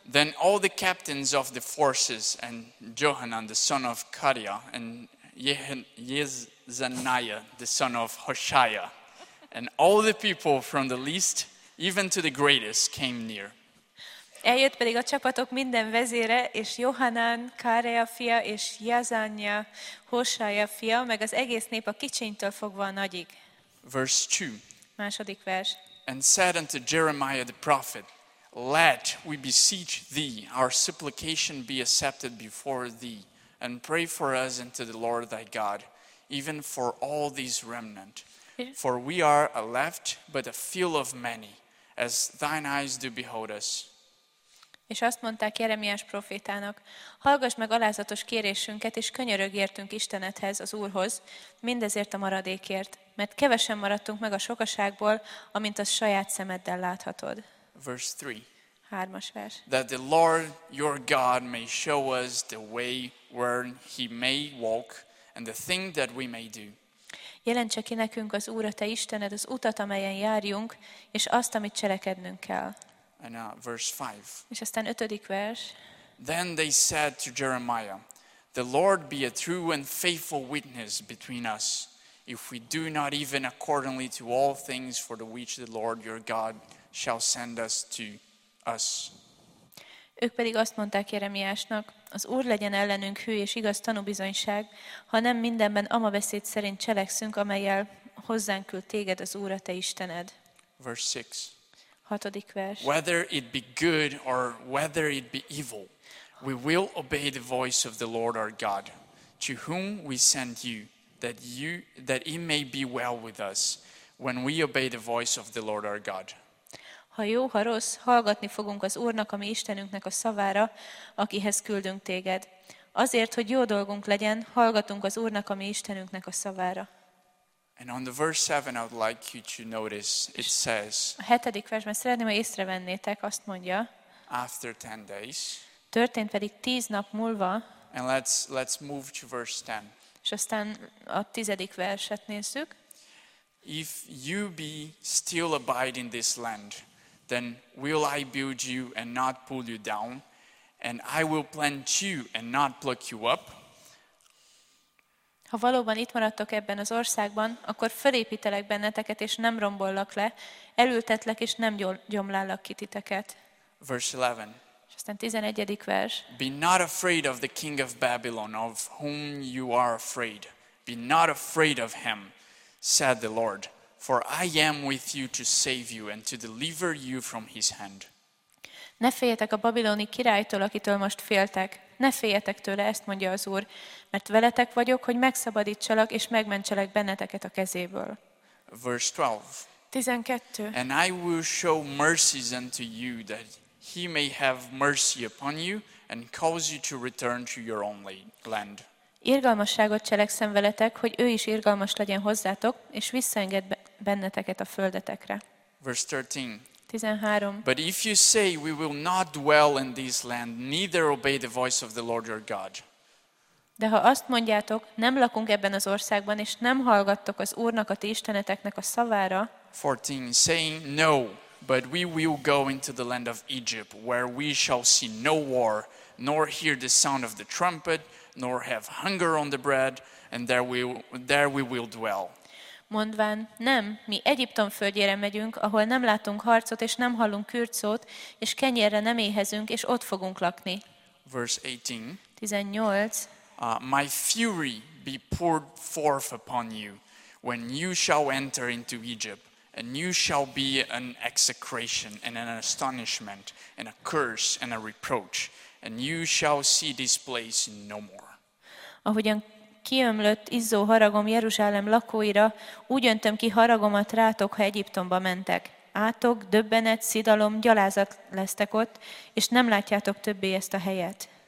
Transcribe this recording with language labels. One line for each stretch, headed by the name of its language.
English: Then all the captains of the forces and Johanan the son of Kariah and Yezaniah the son of Hoshaiah and all the people from the least even to the greatest came near.
Hungarian: Eljött pedig a csapatok minden vezére, és Johanan, Kareah fia, és Jezaniah, Hoshaiah fia, meg az egész nép a kicsinytől fogva a nagyig.
English: Verse 2.
Hungarian: Második vers.
English: And said unto Jeremiah the prophet, let, we beseech thee, our supplication be accepted before thee, and pray for us unto the Lord thy God, even for all these remnant. For we are a left, but a few of many, as thine eyes do behold us.
Hungarian: És azt mondták Jeremiás profétának, hallgass meg alázatos kérésünket, és könyörög értünk Istenethez, az Úrhoz, mindezért a maradékért, mert kevesen maradtunk meg a sokaságból, amint a saját szemeddel láthatod.
English: Verse 3.
Hungarian: Hármas vers.
English: That the Lord your God may show us the way where he may walk, and the thing that we may do.
Hungarian: Jelentse ki nekünk az Úr, a te Istened, az utat, amelyen járjunk, és azt, amit cselekednünk kell.
English: And verse 5.
Hungarian: És aztán ötödik vers.
English: Then they said to Jeremiah, the Lord be a true and faithful witness between us, if we do not even accordingly to all things for the which the Lord your God shall send us to us.
Hungarian: Ők pedig azt mondták Jeremiásnak, az Úr legyen ellenünk hű és igaz tanúbizonyság, ha nem mindenben ama beszéd szerint cselekszünk, amellyel hozzánk küld téged az Úr, a te Istened.
English: Verse 6.
Hungarian: Hatodik vers.
English: Whether it be good or whether it be evil, we will obey the voice of the Lord our God, to whom we send you, that it may be well with us, when we obey the voice of the Lord our God.
Hungarian: Ha jó, ha rossz, hallgatni fogunk az Úrnak, a mi Istenünknek a szavára, akihez küldünk téged. Azért, hogy jó dolgunk legyen, hallgatunk az Úrnak, a mi Istenünknek a szavára.
English: And on the verse 7, I would like you to notice, it says,
Hungarian: a hetedik versben szeretném, hogy észrevennétek, azt mondja,
English: after 10 days,
Hungarian: történt pedig 10 nap múlva,
English: and let's move to verse 10,
Hungarian: és aztán a tizedik verset nézzük.
English: If you be still abide in this land, then will I build you and not pull you down, and I will plant you and not pluck you up.
Hungarian: Ha valóban itt maradtok ebben az országban, akkor fölépítelek benneteket és nem rombollak le, elültetlek és nem gyomlállak ki titeket.
English: Verse 11.
Hungarian: És a Aztán 11. vers.
English: Be not afraid of the king of Babylon, of whom you are afraid. Be not afraid of him, said the Lord, for I am with you to save you and to deliver you from his hand.
Hungarian: Ne féljetek a babiloni királytól, akitől most féltek. Ne féljetek tőle, ezt mondja az Úr, mert veletek vagyok, hogy megszabadítsalak és megmentselek benneteket a kezéből.
English: Verse 12.
Hungarian: 12.
English: And I will show mercies unto you that he may have mercy upon you and cause you to return to your own land.
Hungarian: Irgalmasságot cselekszem veletek, hogy ő is irgalmas legyen hozzátok és visszaenged benneteket a földetekre.
English: Verse 13.
Hungarian: 13.
English: But if you say we will not dwell in this land, neither obey the voice of the Lord your God.
Hungarian: De ha azt mondjátok, nem lakunk ebben az országban, és nem hallgattok az Úrnak, a ti isteneteknek a szavára.
English: 14. Saying no, but we will go into the land of Egypt, where we shall see no war, nor hear the sound of the trumpet, nor have hunger on the bread, and there we will dwell.
Hungarian: Mondván, nem, mi Egyiptom földjére megyünk, ahol nem látunk harcot és nem hallunk kürtszót, és kenyérre nem éhezünk, és ott fogunk lakni.
English: Verse 18. 18. My fury be poured forth upon you, when you shall enter into Egypt, and you shall be an execration and an astonishment and a curse and a reproach, and you shall see this place no more.
Hungarian: Ahogyan kiömlött izzó haragom Jeruzsálem lakóira, úgy öntöm ki haragomat rátok, ha Egyiptomba mentek. Átok, döbbenet, szidalom, gyalázat lesztek ott, és nem látjátok többé ezt a helyet.